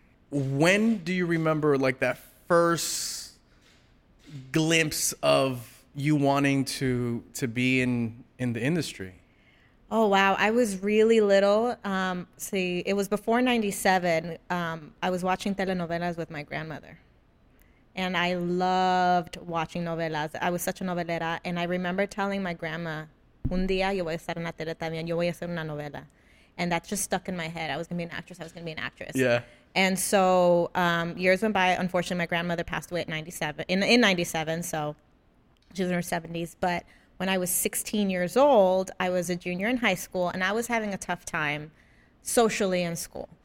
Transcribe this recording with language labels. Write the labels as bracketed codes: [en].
[en] When do you remember, like, that first glimpse of you wanting to be in the industry? Oh, wow. I was really little. See, it was before 97. I was watching telenovelas with my grandmother. And I loved watching novelas. I was such a novelera. And I remember telling my grandma, [es] un día yo voy a estar en la tele también. Yo voy a hacer una novela. [en] And that just stuck in my head. I was going to be an actress. Yeah. And so years went by. Unfortunately, my grandmother passed away at 97. So she was in her 70s. But when I was 16 years old, I was a junior in high school, and I was having a tough time socially in school.